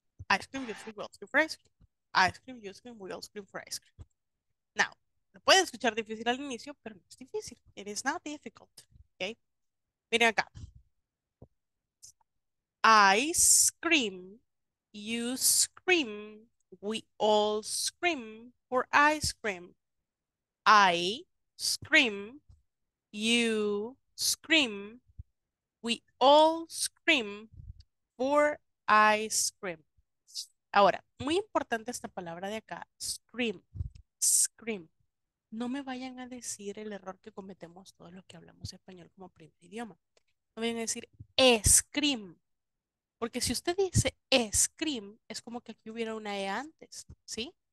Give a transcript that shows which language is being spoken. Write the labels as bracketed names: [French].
[English] Ice cream, you scream, we'll scream for ice cream. Ice cream, you scream, we'll scream for ice cream. [Spanish] Now, lo puede escuchar difícil al inicio, pero no es difícil. [English] It is not difficult, okay? [Spanish] Miren acá. [English] Ice cream, you scream, we all scream for ice cream. I scream, you scream, we all scream for ice cream. [Spanish] Ahora, muy importante esta palabra de acá, scream, scream. No me vayan a decir el error que cometemos todos los que hablamos español como primer idioma. No me vayan a decir scream. Porque si usted dice scream, es como que aquí hubiera una E antes, ¿sí?